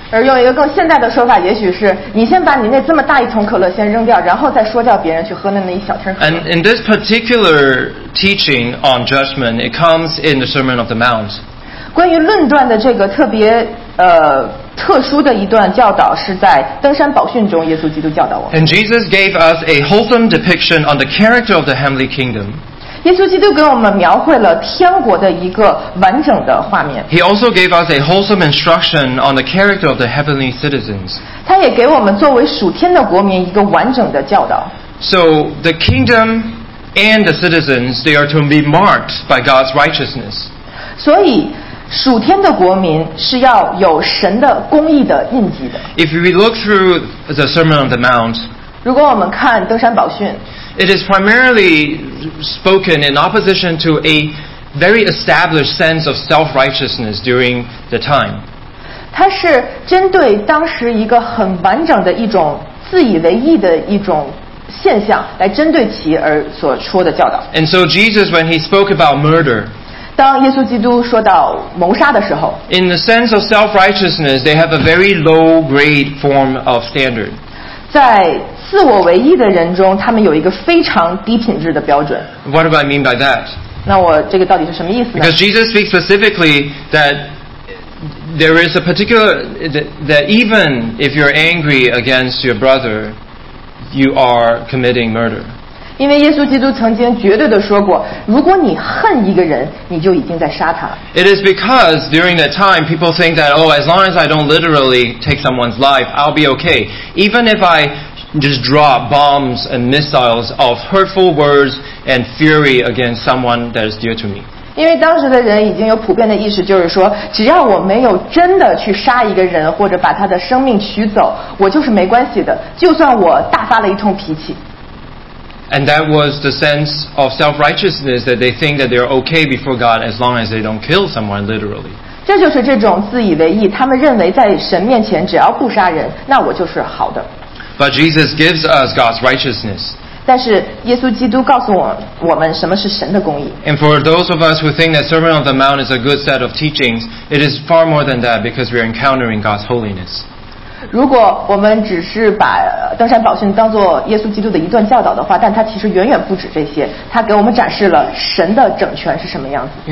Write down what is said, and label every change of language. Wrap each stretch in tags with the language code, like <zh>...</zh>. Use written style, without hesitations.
<zh>而用一个更现代的说法，也许是你先把你那这么大一桶可乐先扔掉，然后再说叫别人去喝那么一小瓶可乐。</zh> <en>And in this particular teaching on judgment, it comes in the Sermon of the Mount.</en> <zh>关于论断的这个特别特殊的一段教导是在登山宝训中，耶稣基督教导我。</zh> <en>And Jesus gave us a wholesome depiction on the character of the heavenly kingdom.</en> <zh>耶稣基督给我们描绘了天国的一个完整的画面。</zh> <en>He also gave us a wholesome instruction on the character of the heavenly citizens.</en> <zh>他也给我们作为属天的国民一个完整的教导。</zh> <en>So the kingdom and the citizens, they are to be marked by God's righteousness.</en> <zh>所以属天的国民是要有神的公义的印记的。</zh> <en>If we look through the Sermon on the Mount,</en> <zh>如果我们看登山宝训，</zh> <en>it is primarily spoken in opposition to a very established sense of self-righteousness during the time.</en> <zh>它是针对当时一个很完整的一种自以为意的一种现象来针对其而所说的教导。</zh> <en>And so Jesus, when he spoke about murder,</en> <zh>当耶稣基督说到谋杀的时候，</zh> <en>In the sense of self-righteousness, they have a very low-grade form of standard.</en> <zh>在自我唯一的人中，他们有一个非常低品质的标准。</zh> <en>What do I mean by that?</en> <zh>那我这个到底是什么意思呢？</zh> <en>Because Jesus speaks specifically that there is a particular, that even if you're angry against your brother, you are committing murder.</en> <zh>因为耶稣基督曾经绝对地说过，如果你恨一个人，你就已经在杀他。</zh> <en>It is because during that time, people think that, oh, as long as I don't literally take someone's life, I'll be okay. Even if I just drop bombs and missiles of hurtful words and fury against someone that is dear to me.</en> <zh>因为当时的人已经有普遍的意识，就是说，只要我没有真的去杀一个人或者把他的生命取走，我就是没关系的，就算我大发了一通脾气。</zh> <en>And that was the sense of self-righteousness that they think that they're okay before God as long as they don't kill someone literally.</en> <zh>这就是这种自以为意，他们认为在神面前只要不杀人，那我就是好的。</zh> <en>But Jesus gives us God's righteousness.</en> <zh>但是耶稣基督告诉我们什么是神的公义。</zh> <en>And for those of us who think that Sermon on the Mount is a good set of teachings, it is far more than that because we are encountering God's holiness.</en> <zh>如果我们只是把登山宝训当作耶稣基督的一段教导的话，但它其实远远不止这些。它给我们展示了神的整全是什么样子。</zh>